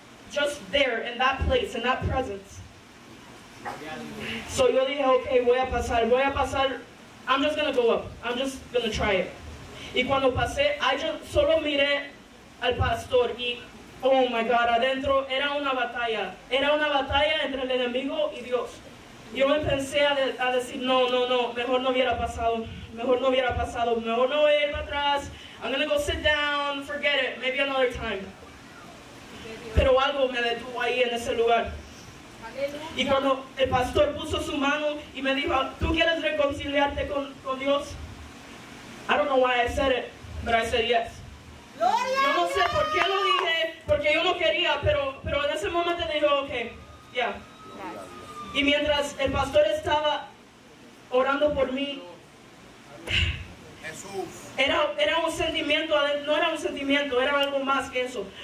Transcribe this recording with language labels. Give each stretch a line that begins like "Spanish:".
English: Just there, in that place, in that presence. So
Spanish: yo dije, okay, voy a pasar,
English: I'm just gonna go up, I'm just gonna try it.
Spanish: Y cuando pasé, solo miré al pastor y,
English: oh my God,
Spanish: adentro era una batalla entre el enemigo y Dios. Yo me pensé a decir, no, mejor no hubiera pasado, mejor no voy a ir para atrás,
English: I'm gonna go sit down, forget it, maybe another time.
Spanish: Pero algo me detuvo ahí en ese lugar. Y cuando el pastor puso su mano y me dijo, ¿tú quieres reconciliarte con Dios?
English: I don't know why I said it, but I said yes.
Spanish: ¡Gloria! Yo no sé por qué lo dije, porque yo no quería, pero en ese momento dijo, okay, yeah. Y mientras el pastor estaba orando por mí, era un sentimiento, no era un sentimiento, era algo más que eso.